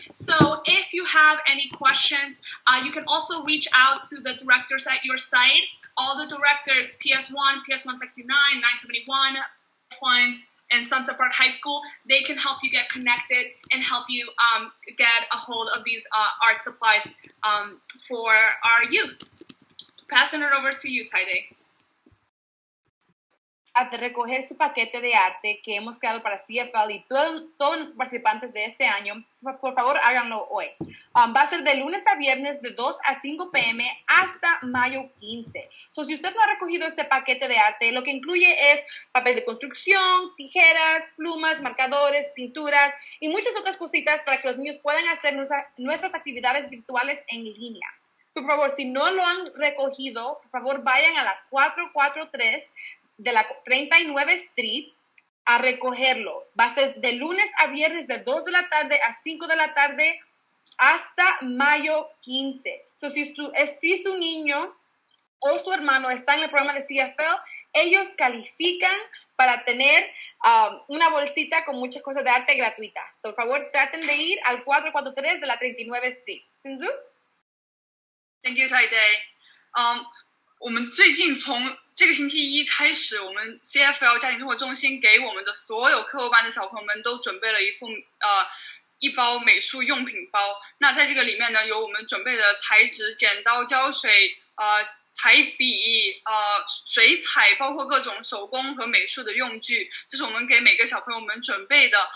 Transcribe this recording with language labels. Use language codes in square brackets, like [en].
[en] So if you have any questions, you can also reach out to the directors at your site, all the directors, PS1, PS169, 971, Quines, and Sunset Park High School. They can help you get connected and help you get a hold of these art supplies for our youth. Passing it over to you, Taide. [es] A recoger su paquete de arte que hemos creado para CFL y todos los participantes de este año, por favor háganlo hoy. Va a ser de lunes a viernes de 2 a 5 p.m. hasta mayo 15. So, si usted no ha recogido este paquete de arte, lo que incluye es papel de construcción, tijeras, plumas, marcadores, pinturas y muchas otras cositas para que los niños puedan hacer nuestras actividades virtuales en línea. So, por favor, si no lo han recogido, por favor vayan a la 443 de la 39 Street a recogerlo. Va a ser de lunes a viernes de 2 de la tarde a 5 de la tarde hasta mayo 15. So, si su niño o su hermano está en el programa de CFL, ellos califican para tener una bolsita con muchas cosas de arte gratuita. So, por favor, traten de ir al 443 de la 39 Street. Sinzu? [en] Thank you, Taide. [zh] 我们最近从这个星期一开始，我们 CFL 家庭生活中心给我们的所有课后班的小朋友们都准备了一包美术用品包。那在这个里面呢，有我们准备的彩纸、剪刀、胶水、彩笔、水彩，包括各种手工和美术的用具，这是我们给每个小朋友们准备的。